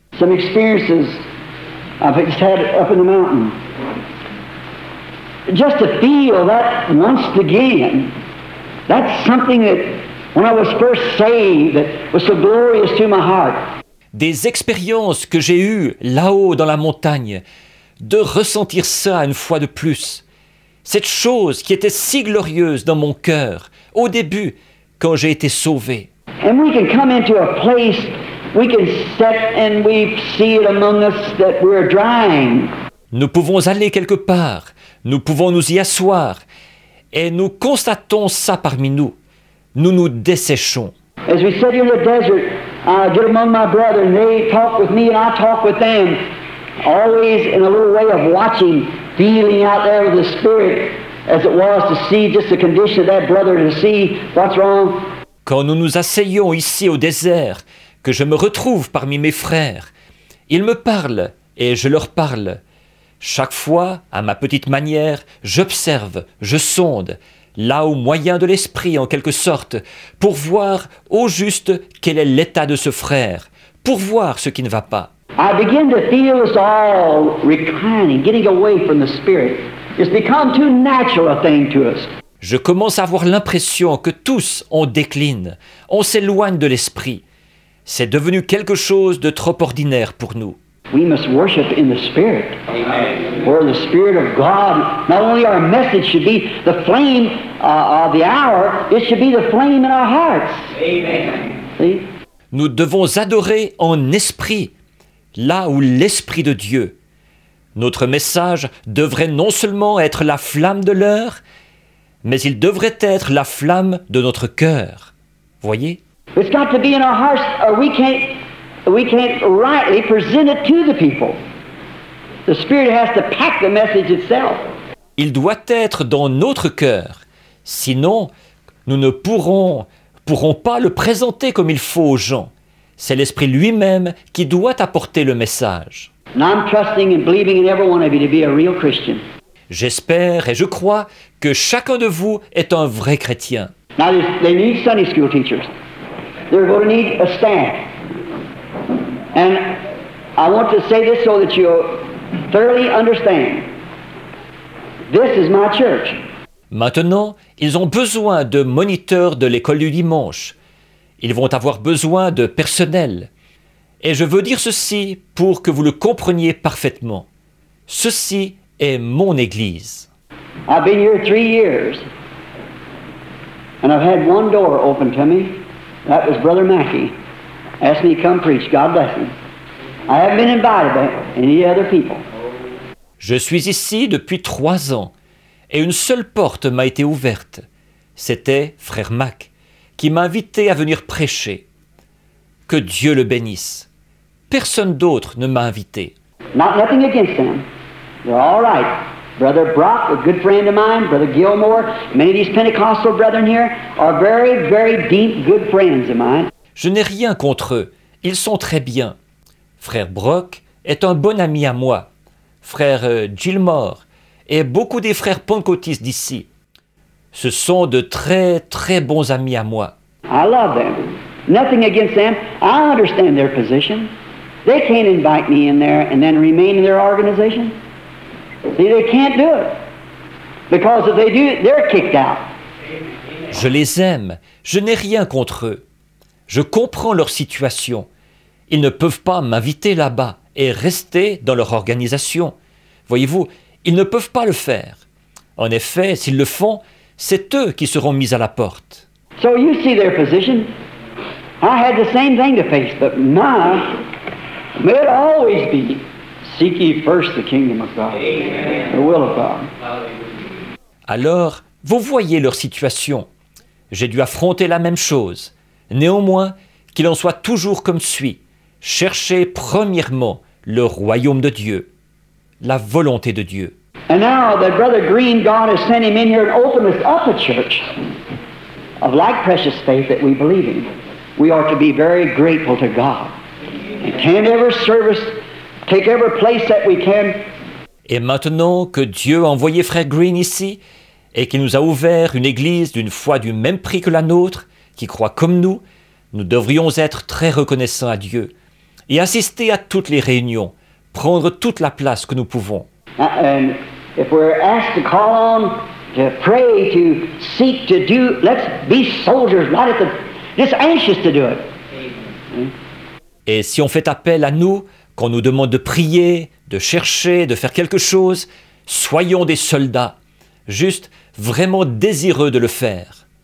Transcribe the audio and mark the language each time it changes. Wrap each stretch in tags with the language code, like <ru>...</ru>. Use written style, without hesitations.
<en>Some experiences I've just had up in the mountain. Just to feel that once again. That's something that, when I was first saved, that was so glorious to my heart.</en> <fr>Des expériences que j'ai eues là-haut dans la montagne, de ressentir ça une fois de plus. Cette chose qui était si glorieuse dans mon cœur, au début, quand j'ai été sauvé.</fr> <en>And we can come into a place, we can sit and we see it among us that we're drying.</en> <fr>Nous pouvons aller quelque part, nous pouvons nous y asseoir, et nous constatons ça parmi nous. Nous nous desséchons.</fr> <en>As we sit here in the desert, I get among my brethren, they talk with me and I talk with them, always in a little way of watching, feeling out there with the Spirit, as it was to see just the condition of that brother, to see what's wrong.</en> <fr>Quand nous nous asseyons ici au désert, que je me retrouve parmi mes frères, ils me parlent et je leur parle. Chaque fois, à ma petite manière, j'observe, je sonde là au moyen de l'esprit en quelque sorte, pour voir au juste quel est l'état de ce frère, pour voir ce qui ne va pas.</fr> <en>I begin to feel us all reclining, getting away from the spirit. It's become too natural a thing to us.</en> <fr>Je commence à avoir l'impression que tous on décline, on s'éloigne de l'esprit. C'est devenu quelque chose de trop ordinaire pour nous.</fr> <en>We must worship in the spirit. Amen. For the spirit of God, not only our message should be the flame of the hour, it should be the flame in our hearts. Amen. See?</en> <fr>Nous devons adorer en esprit, là où l'esprit de Dieu. Notre message devrait non seulement être la flamme de l'heure, mais il devrait être la flamme de notre cœur. Voyez?</fr> <en>It's got to be in our hearts, or we can't rightly present it to the people. The Spirit has to pack the message itself.</en> <fr>Il doit être dans notre cœur, sinon nous ne pourrons pas le présenter comme il faut aux gens. C'est l'Esprit lui-même qui doit apporter le message.</fr> <en>Now I'm trusting and believing in every one of you to be a real Christian.</en> <fr>J'espère et je crois que chacun de vous est un vrai chrétien.</fr> <en>Now they need Sunday school teachers. They're going to need a staff. And I want to say this so that you'll thoroughly understand. This is my church.</en> <fr>Maintenant, ils ont besoin de moniteurs de l'école du dimanche. Ils vont avoir besoin de personnel. Et je veux dire ceci pour que vous le compreniez parfaitement. Ceci est mon église.</fr> <en>I've been here 3 years. And I've had one door open to me. That was Brother Mackey. Asked me to come preach. God bless him. I haven't been invited by any other people.</en> <fr>Je suis ici depuis 3 ans. Et une seule porte m'a été ouverte. C'était Frère Mack qui m'a invité à venir prêcher. Que Dieu le bénisse. Personne d'autre ne m'a invité.</fr> <en>Nothing against them. They're all right. Brother Brock, a good friend of mine, Brother Gilmore, many of these Pentecostal brethren here are very, very deep, good friends of mine.</en> <fr>Je n'ai rien contre eux. Ils sont très bien. Frère Brock est un bon ami à moi. Frère Gilmore et beaucoup des frères pentecôtistes d'ici. Ce sont de très, très bons amis à moi.</fr> <en>I love them. Nothing against them. I understand their position. They can't invite me in there and then remain in their organization. See, they can't do it. Because if they do, they're kicked out.</en> <fr>Je les aime. Je n'ai rien contre eux. Je comprends leur situation. Ils ne peuvent pas m'inviter là-bas et rester dans leur organisation. Voyez-vous, ils ne peuvent pas le faire. En effet, s'ils le font, c'est eux qui seront mis à la porte.</fr> <en>So you see their position. I had the same thing to face, but my... May it always be, seek ye first the kingdom of God, Amen. The will of God.</en> <fr>Alors, vous voyez leur situation. J'ai dû affronter la même chose. Néanmoins, qu'il en soit toujours comme suit. Cherchez premièrement le royaume de Dieu, la volonté de Dieu.</fr> <en>And now that Brother Green, God has sent him in here to open us up a church of like precious faith that we believe in, we are to be very grateful to God. Can every service take every place that we can.</en> <fr>Et maintenant que Dieu a envoyé Frère Green ici et qu'il nous a ouvert une église d'une foi du même prix que la nôtre, qui croit comme nous, nous devrions être très reconnaissants à Dieu et assister à toutes les réunions, prendre toute la place que nous pouvons.</fr> <en>And if we're asked to call on, to pray, to seek, to do, let's be soldiers, not at the, just anxious to do it.</en> <fr>Et si on fait appel à nous, qu'on nous demande de prier, de chercher, de faire quelque chose, soyons des soldats, juste vraiment désireux de le faire.</fr>